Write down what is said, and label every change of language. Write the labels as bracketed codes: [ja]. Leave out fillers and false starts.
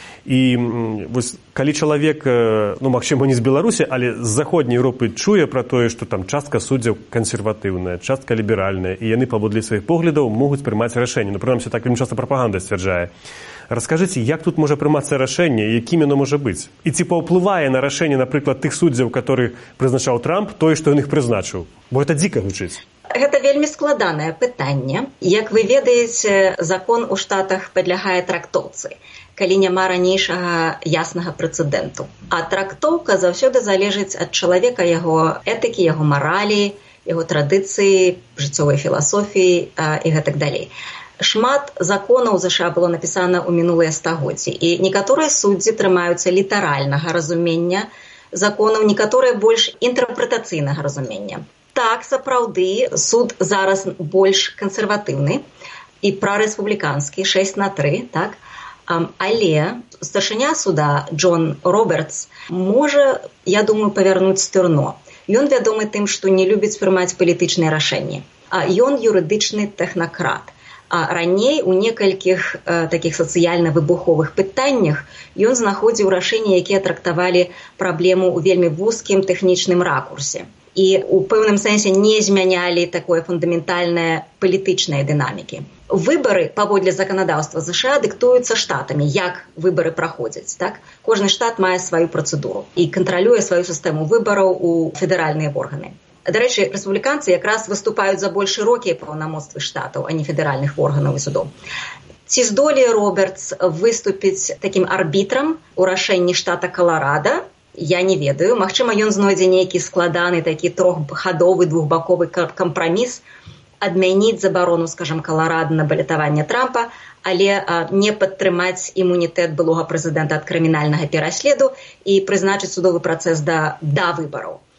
[uk] І ось коли чоловік, ну, можливо, не з Білорусі, але з Західної Європи чує про те, що там частка суддів консервативна, частка ліберальна, і вони по бодлі своїх поглядів можуть приймати рішення. Ну, принаймні, так він часто пропаганда стверджає. Розкажіть, як тут може прийматися рішення, яким воно може бути? І типу впливає на рішення, наприклад, тих суддів, яких призначав Трамп, той, що він їх призначив? Бо це дико звучить. [be] Гэта вельмі складанае пытанне. Як вы ведаеце, закон у штатах падлягае трактоўцы, калі няма ранейшага яснага прэцэдэнту. А трактоўка заўсёды залежыць ад чалавека, яго этыкі, яго маралі, яго традыцыі, жыццёвай філасофіі і гэтак далей. Шмат законаў ў США было напісана ў мінулыя стагоддзі, і некаторыя суддзі трымаюцца літаральнага разумення законаў, некаторыя больш інтэрпрэтацыйнага разумення. Так, сапраўды, суд зараз больш кансерватыўны і прарэспубліканскі, 6-3, так? Але старшыня суда Джон Робертс можа, я думаю, павярнуць стырно. Ён вядомы тым, што не любіць прымаць палітычныя рашэнні. Ён юрыдычны тэхнакрат. А раней у некалькіх таких сацыяльна-выбуховых пытаннях ён знаходзіў рашэнні, якія трактавалі праблему ў вельмі вузкім тэхнічным ракурсе. [uk] І у певному сенсі не змінялі такої фундаментальної політичної динаміки. Вибори, поводлі законодавства США, диктуються штатами, як вибори проходять. Так? Кожен штат має свою процедуру і контролює свою систему виборів у федеральні органи. До речі, республіканці якраз виступають за більш широкі повноваження штатів, а не федеральних органів і судів. Чи здолає Робертс виступити таким арбітром у рішенні штата Колорадо? [be] Я не ведаю. Магчыма, ён знойдзе нейкі складаны такі троххадовы, двухбаковы кампраміс адмяніць забарону, скажам, Каларада на балетаванне Трампа, але не падтрымаць імунітэт былога прэзідэнта ад крымінальнага пераследу і прызначыць судовы працэс да выбараў.